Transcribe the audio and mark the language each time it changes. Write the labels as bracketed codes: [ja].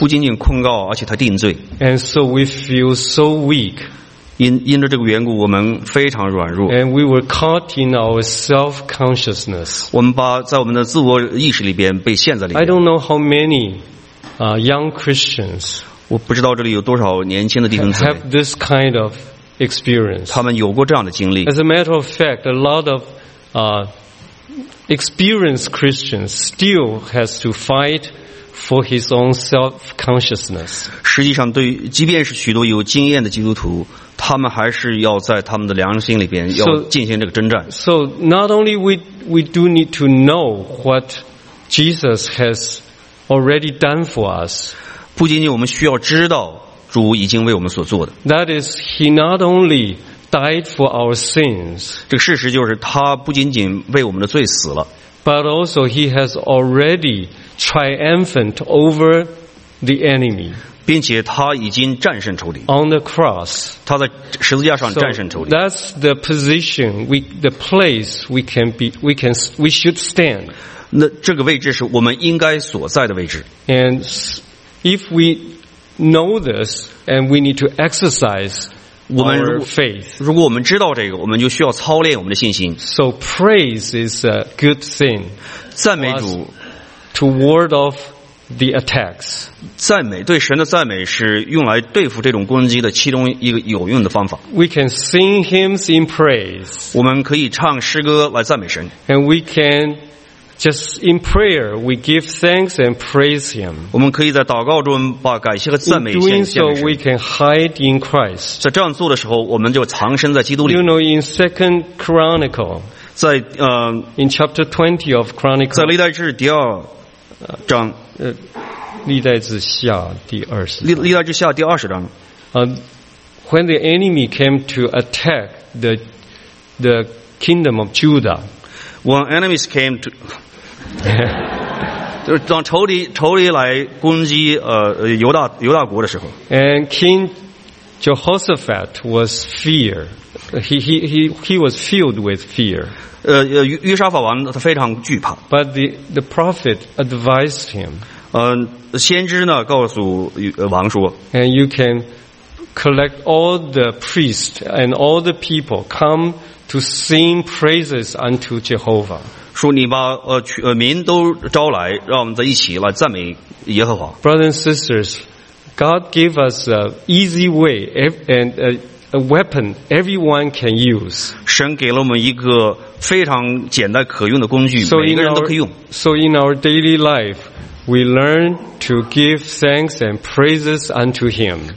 [zh] 不仅仅控告，而且他定罪。 [en] And so we feel so weak. [zh] 因着这个缘故，我们非常软弱。 [en] And we were caught in our self-consciousness. [zh] 我们把在我们的自我意识里边被陷在里面。 [en] I don't know how many, young Christians. [zh] 我不知道这里有多少年轻的弟兄姊妹。 [en] Have this kind of experience. [zh] 他们有过这样的经历。 [en] As a matter of fact, a lot of, experienced Christians still has to fight. For his own self-consciousness. [zh] 实际上，对于即便是许多有经验的基督徒，他们还是要在他们的良心里边要进行这个征战。 [en] So not only we do need to know what Jesus has already done for us. [zh] 不仅仅我们需要知道主已经为我们所做的。 [en] That is, he not only died for our sins. [zh] 这个事实就是他不仅仅为我们的罪死了。 [en] But also he has already triumphant over the enemy. [zh] 并且他已经战胜仇敌。 [en] On the cross. [zh] 他在十字架上战胜仇敌。 [en] So that's the position, the place we should stand. [zh] 那这个位置是我们应该所在的位置。 [en] And if we know this, and we need to exercise our faith. [zh] 如果我们知道这个，我们就需要操练我们的信心。 [en] So praise is a good thing. [zh] 赞美主 [en] to ward off the attacks. [zh] 赞美，对神的赞美是用来对付这种攻击的其中一个有用的方法。 [en] We can sing hymns in praise. [zh] 我们可以唱诗歌来赞美神。 [en] And we can just in prayer, we give thanks and praise Him. [zh] 我们可以在祷告中把感谢和赞美献给神。 [en] In doing so, we can hide in Christ. [zh] 在这样做的时候，我们就藏身在基督里。 [en] You know, in Second Chronicle, [zh] 在 [en] in chapter 20 of Chronicles, [zh] 在历代志第二章，历代志下第二十章，历代志下第二十章。 [en] When the enemy came to attack the kingdom of Judah. When enemies came to, [zh] 当仇敌来攻击犹大国的时候 [en] ，and King Jehoshaphat was fear. He was filled with fear. [zh] 约沙法王他非常惧怕。 [en] But the prophet advised him. [zh] 先知呢告诉王说 [en] ，and you can collect all the priests and all the people come. To sing praises unto Jehovah. [zh] 说你把民都招来，让我们在一起来赞美耶和华。 [en] Brothers and sisters, God gave us an easy way and a weapon everyone can use. [zh] 神给了我们一个非常简单可用的工具，每个人都可以用。 [en] So in our daily life, we learn to give thanks and praises unto Him.